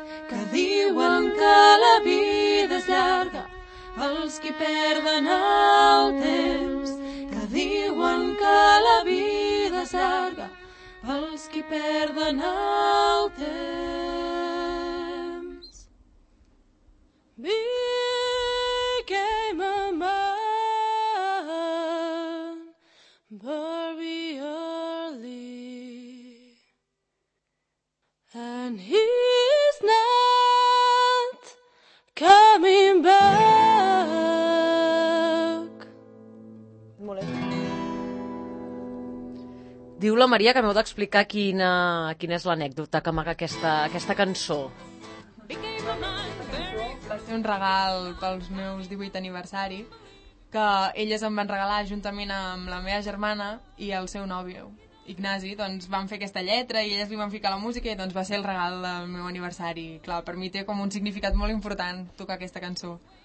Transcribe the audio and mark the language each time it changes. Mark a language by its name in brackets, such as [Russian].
[Catalan] que diuen que la vida és llarga pels qui perden el temps, que diuen que la vida és llarga pels qui perden el temps. [English] Became a man very early, and he's not coming back. [Catalan] Diu la Maria que m'heu d'explicar quina és l'anècdota que amaga aquesta cançó. Va ser un regal pels meus 18 aniversari, que elles em van regalar juntament amb la meva germana i el seu nòvio Ignasi, doncs van fer aquesta lletra i elles li van ficar la música i doncs va ser el regal del meu aniversari. Clar, per mi té com un significat molt important tocar aquesta cançó.